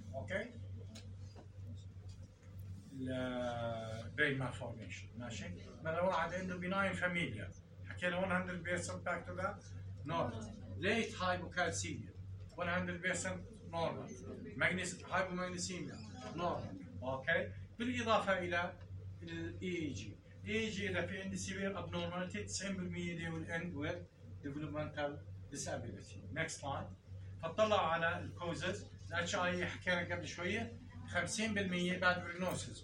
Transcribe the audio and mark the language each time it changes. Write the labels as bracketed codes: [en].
[ar] اوكي البرين مالفورميشن ماشي. مثلا واحد عنده بناين فاميليا حكينا 100% [en] back to that normal. Late hypocalcemia 100% normal. Hypomagnesemia normal. Okay. [ar] بالإضافة إلى EEG. [en] EEG [ar] إذا في عندي [en] severe abnormality 90% they will end with developmental disability. Next line. [ar] فطلع على causes. HIE حكينا قبل شوية 50% [en] bad prognosis.